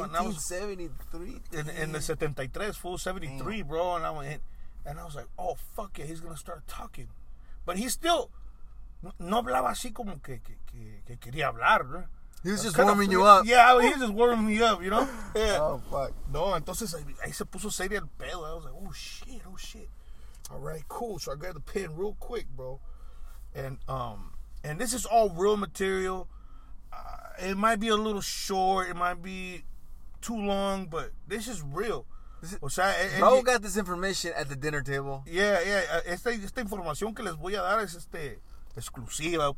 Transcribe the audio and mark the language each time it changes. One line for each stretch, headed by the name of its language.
English: 1973. In the 73, full 73, damn. Bro. And I went, and I was like, oh, fuck yeah. He's going to start talking. But he still,
Spanish: no hablaba así como que quería hablar, bro.
English: He was just warming you up. Yeah, he was just warming me up, you know? Yeah. Oh, fuck.
Spanish: No, entonces ahí se puso serio el pelo.
English: I was like, oh, shit. All right, cool. So I grabbed the pen real quick, bro. And this is all real material. It might be a little short. It might be too long, but this is real. Raúl got this information at the dinner table. Yeah, yeah.
Spanish: Esta información que les voy a dar es exclusiva.